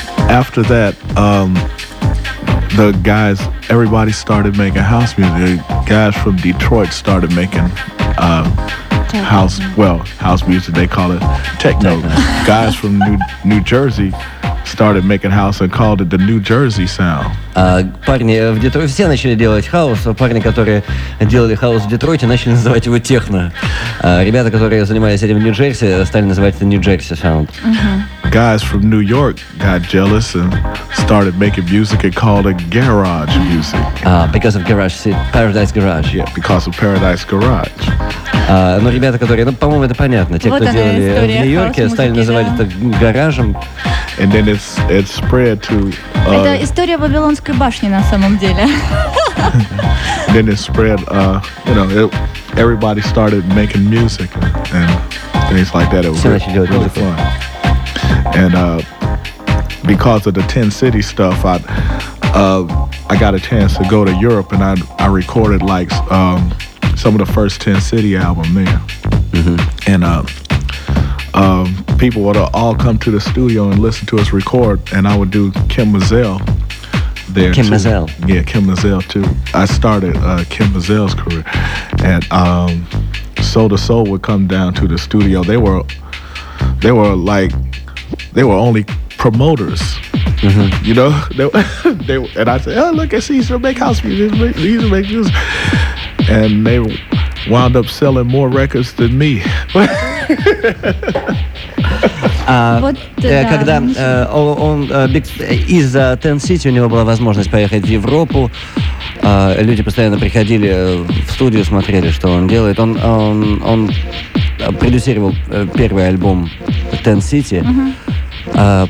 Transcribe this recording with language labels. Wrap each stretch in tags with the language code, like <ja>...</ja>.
<en>After that, the guys, everybody started making house music. The guys from Detroit started making house music, they call it techno. Guys from New Jersey started making house and called it the New Jersey sound.</en> <ru>Парни в Детройте все начали делать хаус, парни, которые делали хаус в Детройте, начали называть его техно. Ребята, которые занимались этим в Нью-Джерси, стали называть это Нью-Джерси sound.</ru> <en>Guys from New York got jealous and started making music and called it garage music. Because of garage, Paradise Garage. Yeah, because of Paradise Garage.</en> <ru>Ну, ребята, которые, ну, по-моему, это понятно. Те, вот кто делали в Нью-Йорке, стали называть это гаражем.</ru> <en>And then it spread to,</en> <ru>это история Вавилонской башни на самом деле.</ru> <en>Then it spread, you know, everybody started making music and things like that. It was really fun. And because of the 10 city stuff, I got a chance to go to Europe and I recorded like some of the first 10 city album there. Mm-hmm. And people would all come to the studio and listen to us record, and I would do Kim Mazzell there. Kim Mazzell. Yeah, Kim Mazzell too. I started Kim Mazzell's career, and Soul to Soul would come down to the studio. They were only promoters, mm-hmm. you know. And I said, "Oh, look, he's gonna make house music. He's gonna make music." And they wound up selling more records than me.</en> <ru>Когда он из Ten City, у него была возможность поехать в Европу. Люди постоянно приходили в студию, смотрели, что он делает. Он продюсировал первый альбом Ten City.</ru>